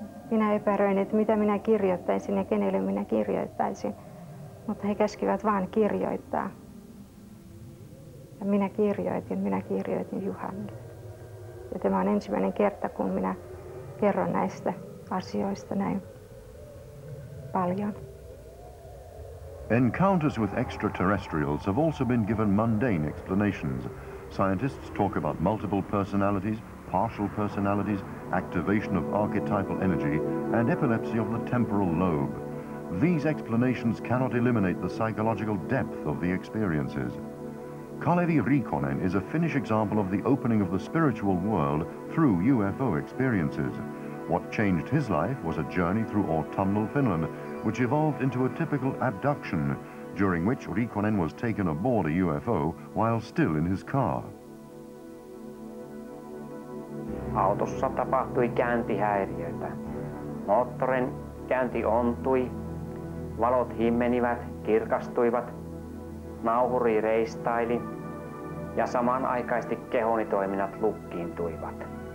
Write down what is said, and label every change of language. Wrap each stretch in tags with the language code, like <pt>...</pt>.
<fi>Minä epäröin, että mitä minä kirjoittaisin ja kenelle minä kirjoittaisin, mutta he käskivät vain kirjoittaa. Ja minä kirjoitin Juhanille. Ja tämä on ensimmäinen kerta, kun minä kerron näistä asioista näin paljon.</fi> <en>Encounters with extraterrestrials have also been given mundane explanations. Scientists talk about multiple personalities, partial personalities, activation of archetypal energy, and epilepsy of the temporal lobe. These explanations cannot eliminate the psychological depth of the experiences. Kalevi Riikonen is a Finnish example of the opening of the spiritual world through UFO experiences. What changed his life was a journey through autumnal Finland, which evolved into a typical abduction, during which Riikonen was taken aboard a UFO while still in his car.</en> <fi>Autossa tapahtui kääntihäiriöitä. Moottorin käänti ontui, valot himmenivät, kirkastuivat, nauhuri reistaili ja samanaikaisesti kehoni toiminnat lukkiintuivat.</fi>